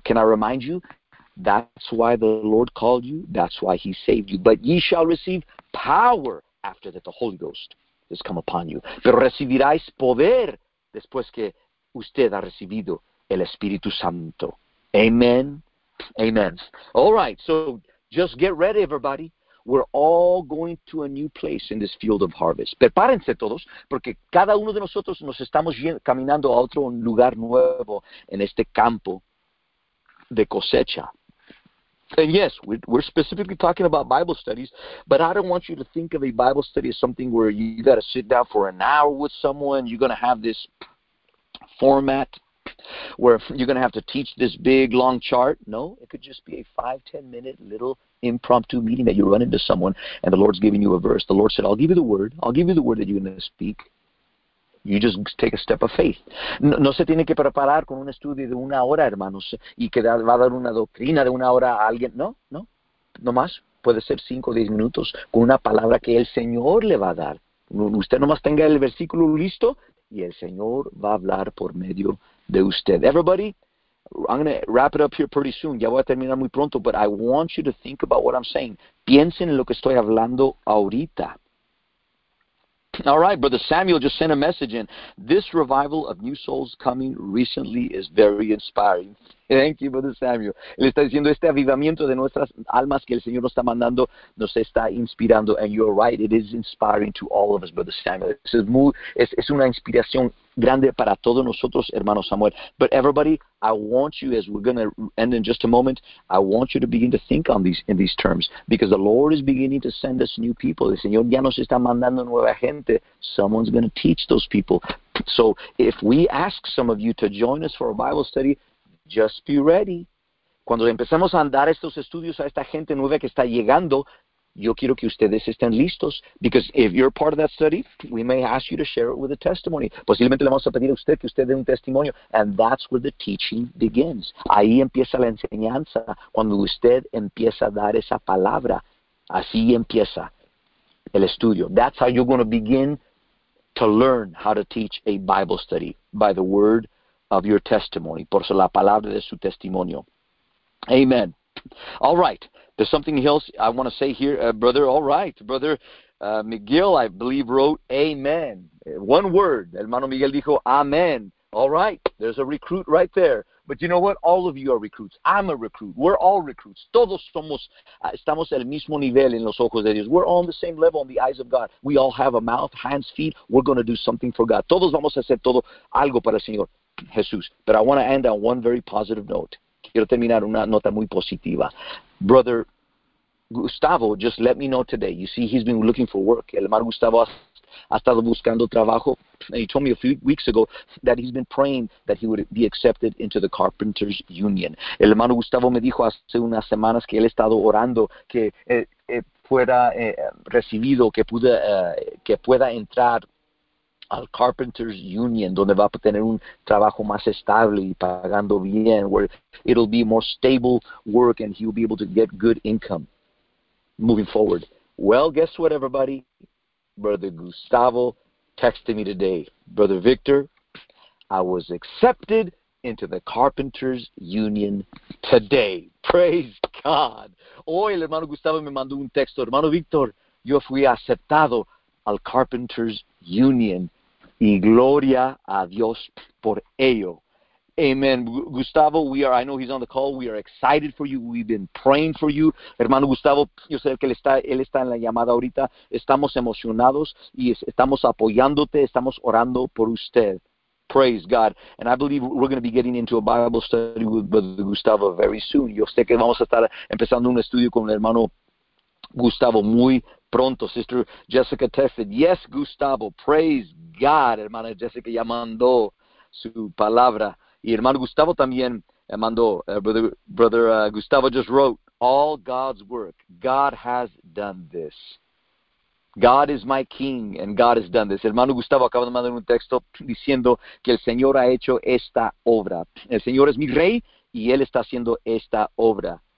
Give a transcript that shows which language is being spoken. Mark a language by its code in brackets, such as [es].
[en] Can I remind you? That's why the Lord called you. That's why he saved you. But ye shall receive power after that the Holy Ghost has come upon you. [es] Pero recibiráis poder después que usted ha recibido el Espíritu Santo. [en] Amen. Amen. All right, so just get ready, everybody. We're all going to a new place in this field of harvest. [es] Prepárense todos, porque cada uno de nosotros nos estamos caminando a otro lugar nuevo en este campo de cosecha. [en] And yes, we're specifically talking about Bible studies, but I don't want you to think of a Bible study as something where you got to sit down for an hour with someone, you're going to have this format where you're going to have to teach this big, long chart. No, it could just be a 5-10 minute little impromptu meeting that you run into someone and the Lord's giving you a verse. The Lord said, I'll give you the word. I'll give you the word that you're going to speak. You just take a step of faith. [es] No se tiene que preparar con un estudio de una hora, hermanos, y que va a dar una doctrina de una hora a alguien. No. No más. Puede ser 5 o 10 minutos con una palabra que el Señor le va a dar. Usted nomás tenga el versículo listo y el Señor va a hablar por medio de usted. [en] Everybody, I'm going to wrap it up here pretty soon. [es] Ya voy a terminar muy pronto, [en] but I want you to think about what I'm saying. [es] Piensen en lo que estoy hablando ahorita. [en] All right, Brother Samuel just sent a message in. This revival of new souls coming recently is very inspiring. Thank you, Brother Samuel. [es] Él está diciendo, este avivamiento de nuestras almas que el Señor nos está mandando nos está inspirando. [en] And you're right, it is inspiring to all of us, Brother Samuel. [es] Es una inspiración grande para todos nosotros, hermano Samuel. [en] But everybody, I want you, as we're going to end in just a moment, I want you to begin to think on these terms. Because the Lord is beginning to send us new people. [es] El Señor ya nos está mandando nueva gente. [en] Someone's going to teach those people. So if we ask some of you to join us for a Bible study, just be ready. [es] Cuando empezamos a dar estos estudios a esta gente nueva que está llegando, yo quiero que ustedes estén listos. [en] Because if you're part of that study, we may ask you to share it with a testimony. [es] Posiblemente le vamos a pedir a usted que usted dé un testimonio. [en] And that's where the teaching begins. [es] Ahí empieza la enseñanza, cuando usted empieza a dar esa palabra. Así empieza el estudio. [en] That's how you're going to begin to learn how to teach a Bible study, by the word of your testimony. [es] Por la palabra de su testimonio. Amen. All right. [en] There's something else I want to say here, brother. All right. Brother Miguel, I believe, wrote amen. One word. [es] Hermano Miguel dijo amen. [en] All right. There's a recruit right there. But you know what? All of you are recruits. I'm a recruit. We're all recruits. [es] Todos somos, estamos el mismo nivel en los ojos de Dios. [en] We're all on the same level in the eyes of God. We all have a mouth, hands, feet. We're going to do something for God. [es] Todos vamos a hacer todo algo para el Señor Jesús. [en] But I want to end on one very positive note. [es] Quiero terminar una nota muy positiva. [en] Brother Gustavo, just let me know today. You see, he's been looking for work. [es] El hermano Gustavo ha estado buscando trabajo. [en] And he told me a few weeks ago that he's been praying that he would be accepted into the Carpenters Union. [es] El hermano Gustavo me dijo hace unas semanas que él ha estado orando que fuera recibido, que pueda entrar al Carpenters Union, donde va a tener un trabajo más estable y pagando bien, [en] where it'll be more stable work and he'll be able to get good income moving forward. Well, guess what, everybody? Brother Gustavo texted me today. Brother Victor, I was accepted into the Carpenters Union today. Praise God. [es] Hoy el hermano Gustavo me mandó un texto. Hermano Victor, yo fui aceptado al Carpenters Union. Y gloria a Dios por ello. Amen. [en] Gustavo, I know he's on the call. We are excited for you. We've been praying for you. [es] Hermano Gustavo, yo sé que él está en la llamada ahorita. Estamos emocionados y estamos apoyándote. Estamos orando por usted. [en] Praise God. And I believe we're going to be getting into a Bible study with Brother Gustavo very soon. [es] Yo sé que vamos a estar empezando un estudio con el hermano Gustavo muy pronto. [en] Sister Jessica texted, yes, Gustavo, praise God. [es] Hermana Jessica ya mandó su palabra. Y hermano Gustavo también mandó, [en] Gustavo just wrote, all God's work, God has done this. God is my king and God has done this. [es] Hermano Gustavo acaba de mandar un texto diciendo que el Señor ha hecho esta obra. El Señor es mi rey y Él está haciendo esta obra.